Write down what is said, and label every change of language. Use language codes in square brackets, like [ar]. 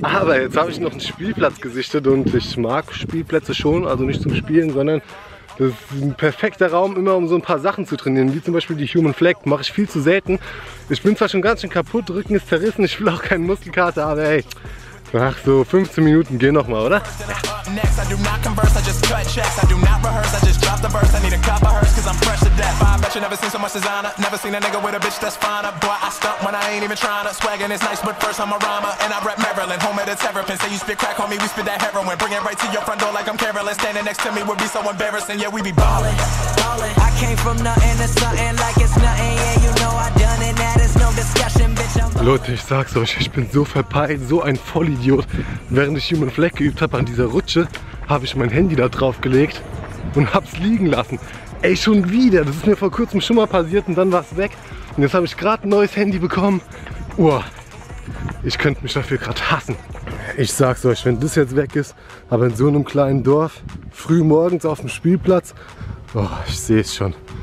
[de] Aber jetzt habe ich noch einen Spielplatz gesichtet und ich mag Spielplätze schon, also nicht zum Spielen, sondern das ist ein perfekter Raum, immer um so ein paar Sachen zu trainieren, wie zum Beispiel die Human Flag, mache ich viel zu selten. Ich bin zwar schon ganz schön kaputt, Rücken ist zerrissen, ich will auch keinen Muskelkater, aber hey, nach so 15 Minuten, geh nochmal, oder? [en] Next, I do not converse, I just cut checks. I do not rehearse, I just drop the verse. I need a cup of hers, cause I'm fresh to death. I bet you never seen so much designer. Never seen a nigga with a bitch that's finer. Boy, I stunt when I ain't even trying to. Swaggin' is nice, but first I'm a rhymer. And I rep Maryland, home of the Terrapins. Say you spit crack on me, we spit that heroin. Bring it right to your front door like I'm careless. Standing next to me would be so embarrassing. Yeah, we be ballin', ballin'. I came from nothing to something like it's nothing. Yeah, you know I done it, that is no discussion, bitch. [de] Leute, ich sag's euch, ich bin so verpeilt, so ein Vollidiot. Während ich Human Flag geübt habe an dieser Rutsche, habe ich mein Handy da drauf gelegt und hab's liegen lassen. Ey, schon wieder, das ist mir vor kurzem schon mal passiert und dann war's weg. Und jetzt habe ich gerade ein neues Handy bekommen. Uah, ich könnte mich dafür gerade hassen. Ich sag's euch, wenn das jetzt weg ist, aber in so einem kleinen Dorf, früh morgens auf dem Spielplatz, oh, ich seh's schon.